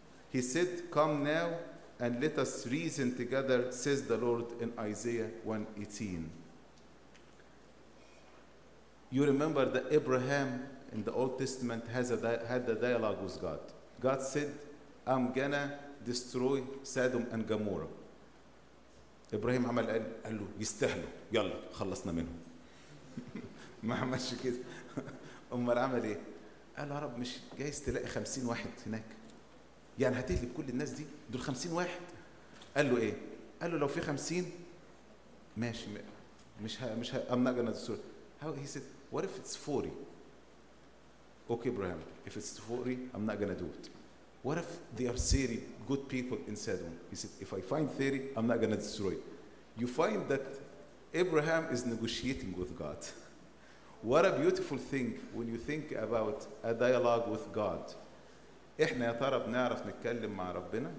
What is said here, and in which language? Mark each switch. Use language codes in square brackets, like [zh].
[en] He said, Come now and let us reason together, says the Lord in Isaiah 1:18. You remember that Abraham in the Old Testament had a dialogue with God. God said, I'm gonna destroy Sodom and Gomorrah. [ar] Abraham عمل قال له يستاهلوا يلا خلصنا منهم. ما عملش كده. أمال عمل إيه؟ قال يا رب مش جايز تلاقي 50 واحد هناك. يعني هتهلك كل الناس دي؟ دول 50 واحد. قال له إيه؟ قال له لو في 50 ماشي مش [en] I'm not gonna destroy. He said, What if it's 40? Okay, Abraham, if it's 40, I'm not going to do it. What if they are 30 good people in Sodom? He said, If I find 30, I'm not going to destroy it. You find that Abraham is negotiating with God. What a beautiful thing when you think about a dialogue with God. [ar] إحنا يا ترى بنعرف نتكلم مع ربنا?